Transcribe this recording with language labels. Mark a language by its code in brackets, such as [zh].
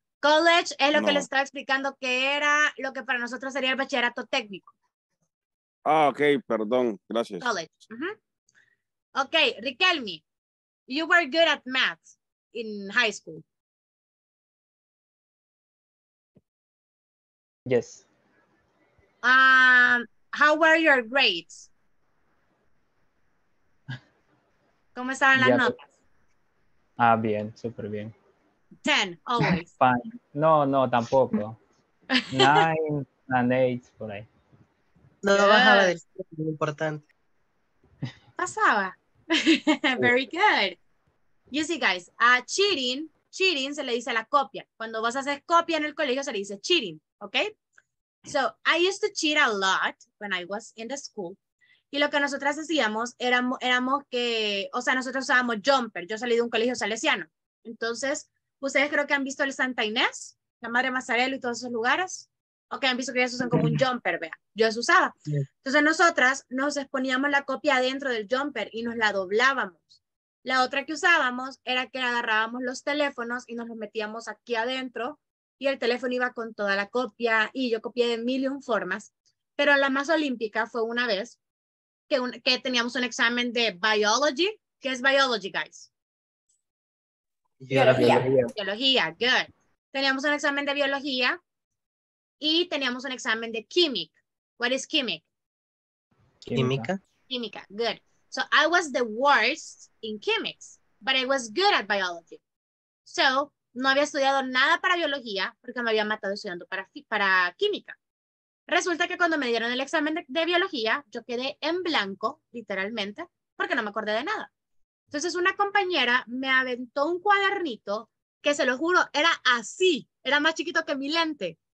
[es] College es lo no. Que le estaba explicando que era lo que para nosotros sería el bachillerato técnico. Ah, ok, perdón, gracias. [en] College. Uh-huh. Ok, Riquelme, you were good at math in high school. Yes. How were your grades? [es] ¿Cómo estaban las notas? Ah, bien, súper bien. [en] 10, always. [es] Fine. No, tampoco. [en] 9 and 8, [es] por ahí. No, yeah. Bajaba de 7, muy importante. Pasaba. [en] Very good. You see, guys, [es] cheating se le dice la copia. Cuando vos haces copia en el colegio se le dice cheating, ¿ok? [en] So, I used to cheat a lot when I was in the school. [es] Y lo que nosotras hacíamos nosotros usábamos jumper. Yo salí de un colegio salesiano. Entonces, ustedes creo que han visto el Santa Inés, la Madre Mazzarello y todos esos lugares. Ok, han visto que ellos usan como un jumper, vea. Yo eso usaba. Entonces, nosotras nos exponíamos la copia adentro del jumper y nos la doblábamos. La otra que usábamos era que agarrábamos los teléfonos y nos los metíamos aquí adentro y el teléfono iba con toda la copia y yo copié de mil y un formas. Pero la más olímpica fue una vez que teníamos un examen de biology. ¿Qué es biology, guys? Biología. [en] Good. [es] Teníamos un examen de biología y teníamos un examen de química. [en] What is química. Good. So I was the worst in chemics, but I was good at biology. [es] So no había estudiado nada para biología porque me había matado estudiando para química. Resulta que cuando me dieron el examen de biología, yo quedé en blanco, literalmente, porque no me acordé de nada. Entonces una compañera me aventó un cuadernito que, se lo juro, era así, era más chiquito que mi lente.